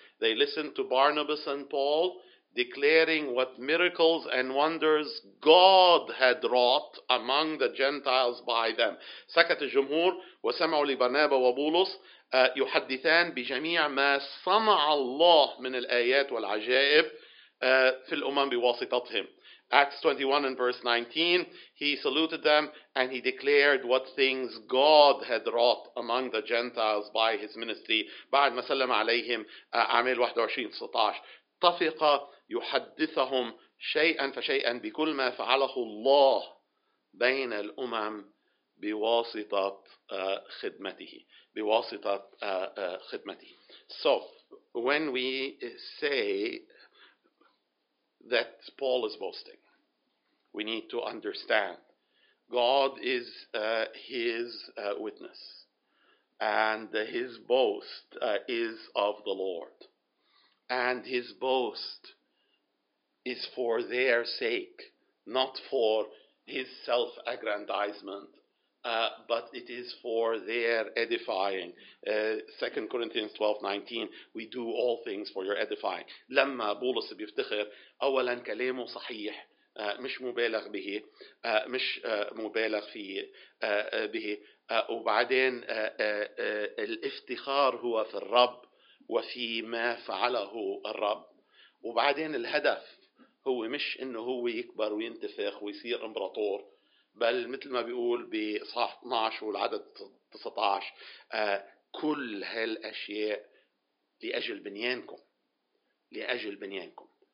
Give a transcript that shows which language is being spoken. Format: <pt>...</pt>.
<en>They listened to Barnabas and Paul declaring what miracles and wonders God had wrought among the Gentiles by them.</en> <ar>سكت الجمهور وسمعوا لبرنابا وبولس يحدثان بجميع ما صنع الله من الآيات والعجائب في الأمم بواسطتهم.</ar> <en>Acts 21 and verse 19, he saluted them and he declared what things God had wrought among the Gentiles by his ministry.</en> <ar>بعد ما سلم عليهم أعمال 21-19 طفق يحدثهم شيئا فشيئا بكل ما فعله الله بين الأمم بواسطة خدمته. بواسطة خدمته.</ar> <en>So, when we say that Paul is boasting, we need to understand God is his witness and his boast is of the Lord and his boast is for their sake, not for his self-aggrandizement, but it is for their edifying. 2 Corinthians 12:19, we do all things for your edifying.</en> <ar>لما بولس بيفتخر أولا كلامه صحيح مش مبالغ به مش مبالغ في به وبعدين الافتخار هو في الرب وفي ما فعله الرب وبعدين الهدف هو مش انه هو يكبر وينتفخ ويصير امبراطور بل مثل ما بيقول بصحاح 12 والعدد 19 كل هالاشياء لاجل بنيانكم لاجل بنيانكم.</ar>